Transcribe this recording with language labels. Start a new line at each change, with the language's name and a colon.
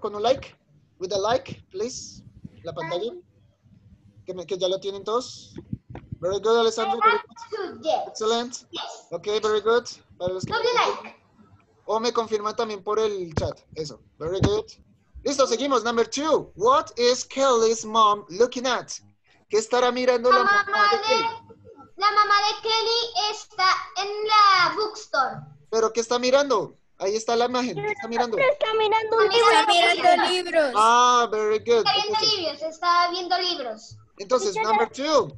Spanish: Con un like.
English: With a like, please.
Spanish: La pantalla. ¿Que ya lo tienen todos?
English: Very good,
Spanish: Alessandro.
English: Excellent. Yes. Ok, very good.
Spanish: Para los que me like. O me confirman también por el chat. Eso.
English: Very good.
Spanish: Listo, seguimos.
English: Number two. What is Kelly's mom looking at?
Spanish: ¿Qué estará mirando la mamá de La mamá de Kelly está en la bookstore. ¿Pero qué está mirando? Ahí está la imagen. ¿Qué está mirando? Está mirando un libro. Está mirando libros.
English: Ah, very good.
Spanish: Está viendo libros. Está viendo libros. Entonces,
English: number two.